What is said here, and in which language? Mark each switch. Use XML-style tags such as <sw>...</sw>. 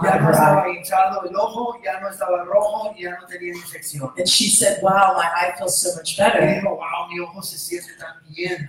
<es>Ya no estaba hinchado el ojo, ya no estaba rojo, ya no tenía infección.</es> <en>And she said, wow, my eye feels so much better.</en> <es>Y dijo, wow, mi ojo se siente tan bien.</es>